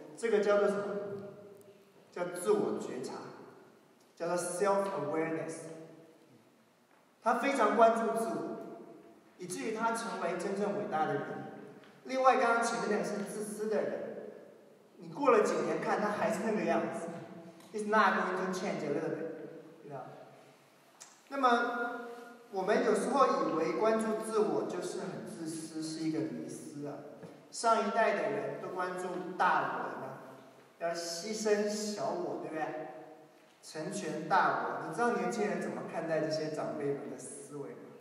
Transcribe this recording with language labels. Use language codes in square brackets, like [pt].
[zh] 这个叫做什么？叫自我觉察，叫做 self awareness。他非常关注自我，以至于他成为真正伟大的人。另外，刚刚前面那个是自私的人，你过了几年看他还是那个样子。 [en] It's not going to change a little bit, you know? [zh] 那么我们有时候以为关注自我就是很自私，是一个迷思啊。上一代的人都关注大我呢，要牺牲小我，对不对？成全大我。你知道年轻人怎么看待这些长辈们的思维吗？